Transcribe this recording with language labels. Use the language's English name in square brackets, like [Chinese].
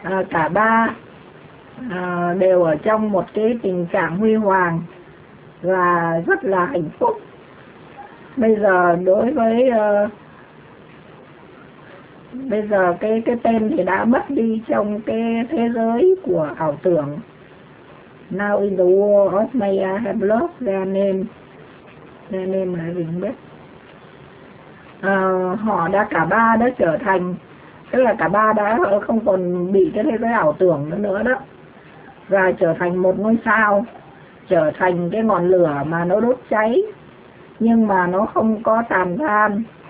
[Vietnamese] Cả ba đều ở trong một cái tình trạng huy hoàng và rất là hạnh phúc. Bây giờ cái tên thì đã mất đi trong cái thế giới của ảo tưởng. [English] Now in the world of Maya have lost their name. Their name [Vietnamese] là gì không biết. Họ đã, cả ba đã trở thành, tức là cả ba đã không còn bị cái thế giới ảo tưởng nữa đó. Và trở thành một ngôi sao, trở thành cái ngọn lửa mà nó đốt cháy, nhưng mà nó không có tàn than.